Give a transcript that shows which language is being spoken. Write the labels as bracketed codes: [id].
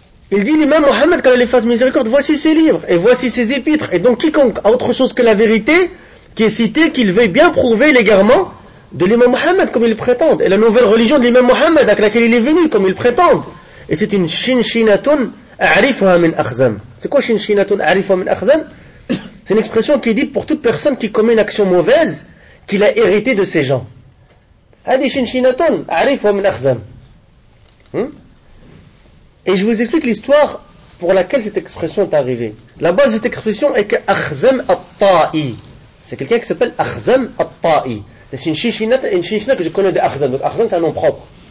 [fr] il dit l'imam Mohammed quand il fasse miséricorde voici ses livres et voici ses épîtres et donc quiconque a autre chose que la vérité qui est citée qu'il veuille bien prouver l'égarement de l'imam Mohammed comme il prétend et la nouvelle religion de l'imam Mohammed avec laquelle il est venu comme il prétend et c'est une chinchinatun [ar] أعرفها من أخزم. [fr] C'est quoi [ar] شنشنة أعرفها من أخزم? [fr] C'est une expression qui dit pour toute personne qui commet une action mauvaise qu'il a hérité de ces gens. [ar] هذه شنشنة أعرفها من أخزم. [fr] Et je vous explique l'histoire pour laquelle cette expression est arrivée. La base de cette expression est que أخزم الطائي. C'est quelqu'un qui s'appelle أخزم الطائي. C'est une شنشنة que je connais d'أخزم. Donc أخزم c'est un nom propre.